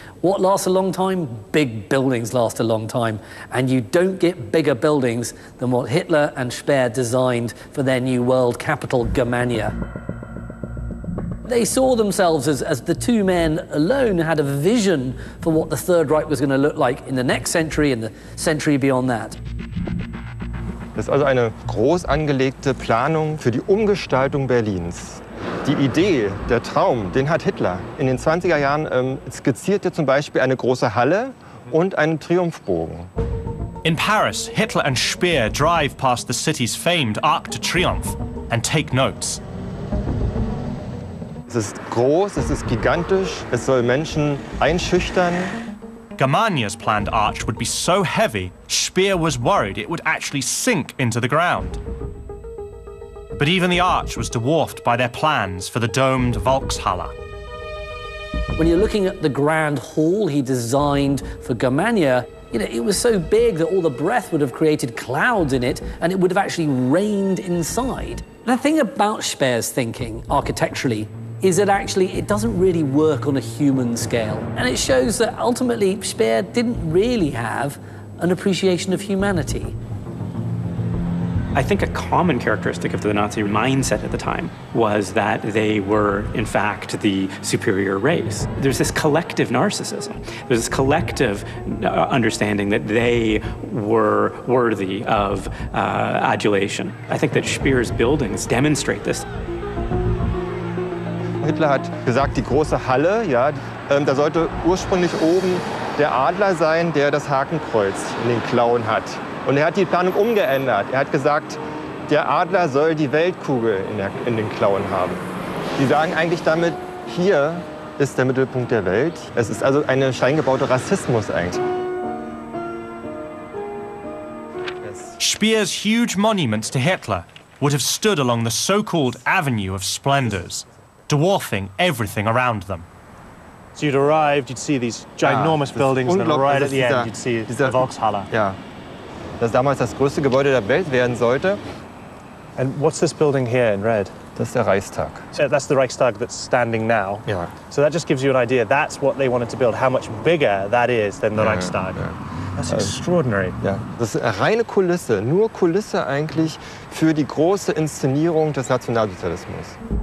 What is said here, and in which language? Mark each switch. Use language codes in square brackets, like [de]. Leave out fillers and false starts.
[en] What lasts a long time? Big buildings last a long time, and you don't get bigger buildings than what Hitler and Speer designed for their new world capital, Germania. They saw themselves as the two men alone had a vision for what the Third Reich was going to look like in the next century and the century beyond that. [de] Das ist also eine groß angelegte Planung für die Umgestaltung Berlins. Die Idee, der Traum, den hat Hitler. In den 20er Jahren skizzierte zum Beispiel eine große Halle und einen Triumphbogen. [en] In Paris, Hitler and Speer drive past the city's famed Arc de Triomphe and take notes. [de] Es ist groß, es ist gigantisch, es soll Menschen einschüchtern. [en] Germania's planned arch would be so heavy, Speer was worried it would actually sink into the ground. But even the arch was dwarfed by their plans for the domed Volkshalle. When you're looking at the grand hall he designed for Germania, you know, it was so big that all the breath would have created clouds in it and it would have actually rained inside. The thing about Speer's thinking architecturally is that actually it doesn't really work on a human scale. And it shows that ultimately Speer didn't really have an appreciation of humanity. I think a common characteristic of the Nazi mindset at the time was that they were, in fact, the superior race. There's this collective narcissism. There's this collective understanding that they were worthy of adulation. I think that Speer's buildings demonstrate this. [de] Hitler hat gesagt, die große Halle, ja, da sollte ursprünglich oben der Adler sein, der das Hakenkreuz in den Klauen hat. Und er hat die Planung umgeändert. Er hat gesagt, der Adler soll die Weltkugel in den Klauen haben. Sie sagen eigentlich damit, hier ist der Mittelpunkt der Welt. Es ist also ein scheingebauter Rassismus eigentlich. [en] Speer's huge monuments to Hitler would have stood along the so-called Avenue of Splendors, dwarfing everything around them. So you'd arrived, you'd see these ginormous buildings, and then right at the end you'd see the Volkshalle. Yeah. [de] Das damals das größte Gebäude der Welt werden sollte. [en] And what's this building here in red? [de] Das ist der Reichstag. [en] So that's the Reichstag that's standing now. Yeah. So that just gives you an idea, that's what they wanted to build, how much bigger that is than the Reichstag. Yeah. That's extraordinary. Yeah. [de] Das ist reine Kulisse, nur Kulisse eigentlich für die große Inszenierung des Nationalsozialismus.